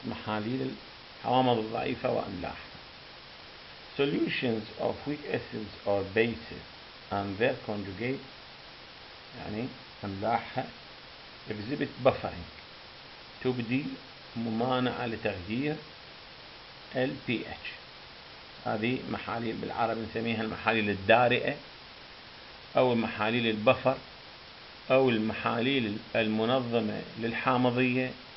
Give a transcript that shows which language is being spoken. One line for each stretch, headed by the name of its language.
Arabic: محاليل الحوامض الضعيفة وأملاح.
English: Solutions of weak acids or bases and their conjugates.
Arabic: يعني أملاحها.
English: Exhibit buffering.
Arabic: تبدي ممانعة لتغيير ال pH. هذه محاليل بالعربي نسميها المحاليل الدارئة أو محاليل البفر أو المحاليل المنظمة للحامضية.